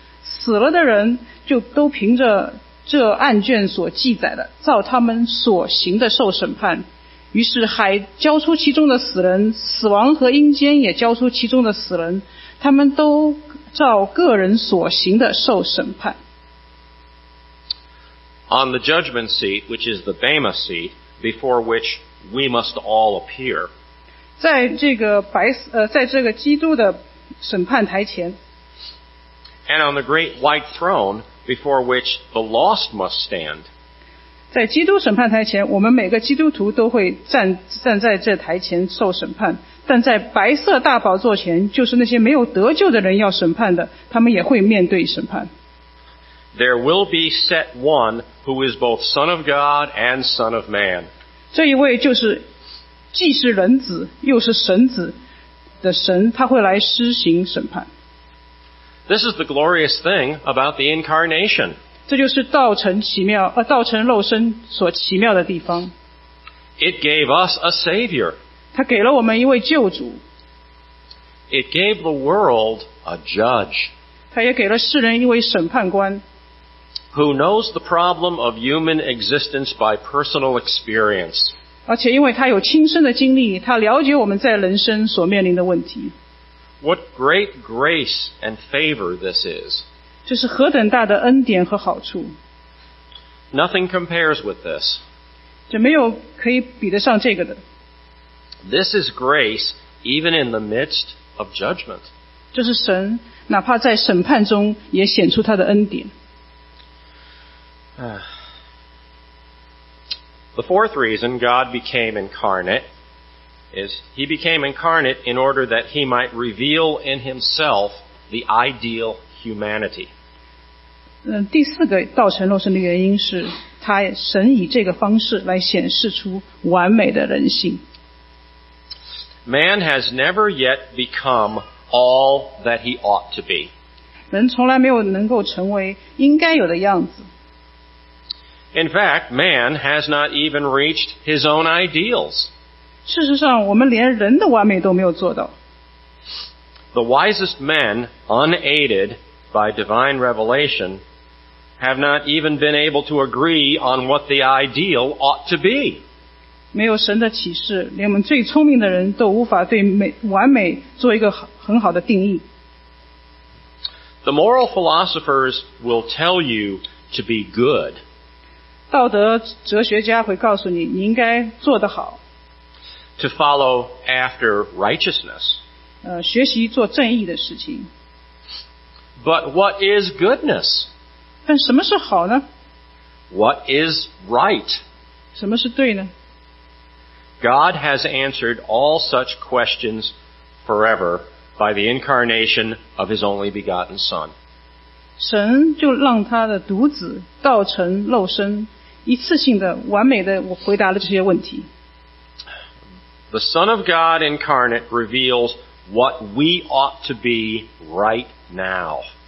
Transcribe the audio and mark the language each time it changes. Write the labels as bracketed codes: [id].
[zh] 死了的人就都凭着这案卷所记载的照他们所行的受审判。于是海交出其中的死人，死亡和阴间也交出其中的死人，他们都照个人所行的受审判。 [en] On the judgment seat, which is the Bema seat, before which we must all appear, [zh] 在这个基督的审判台前， [en] And on the great white throne,before which the lost must stand. [zh] 在基督审判台前，我们每个基督徒都会 站在这台前受审判，但在白色大宝座前，就是那些没有得救的人要审判的，他们也会面对审判。 [en] There will be set one who is both Son of God and Son of Man. [zh] 这一位就是既是人子又是神子的神，他会来施行审判。 [en] This is the glorious thing about the incarnation. [zh] 这就是道成肉身所奇妙的地方。 [en] It gave us a savior. [zh] 他给了我们一位救主。 [en] It gave the world a judge. [zh] 他也给了世人一位审判官。 [en] Who knows the problem of human existence by personal experience. [zh] 而且因为他有亲身的经历，他了解我们在人生所面临的问题。 [en] What great grace and favor this is. [zh] 这是何等大的恩典和好处。 [en] Nothing compares with this. [zh] 这没有可以比得上这个的。 [en] This is grace even in the midst of judgment. [zh] 这是神哪怕在审判中也显出他的恩典。 [en] The fourth reason God became incarnate. Is he became incarnate in order that he might reveal in himself the ideal humanity. [zh] 第四个道成肉身的原因是他神以这个方式来显示出完美的人性。 [en] Man has never yet become all that he ought to be. [zh] 人从来没有能够成为应该有的样子。 [en] In fact, man has not even reached his own ideals. [zh] 事实上我们连人的完美都没有做到。 [en] The wisest men, unaided by divine revelation, have not even been able to agree on what the ideal ought to be. [zh] 没有神的启示，连我们最聪明的人都无法对完美做一个很好的定义。 [en] The moral philosophers will tell you to be good. [zh] 道德哲学家会告诉你，你应该做得好。 [en] To follow after righteousness. [zh] 学习做正义的事情。 [en] But what is goodness? [zh] 但什么是好呢？ [en] What is right? [zh] 什么是对呢？ [en] God has answered all such questions forever by the incarnation of his only begotten Son. [zh] 神就让他的独子道成肉身，一次性的完美的回答了这些问题。 [en] The Son of God incarnate reveals what we ought to be right now.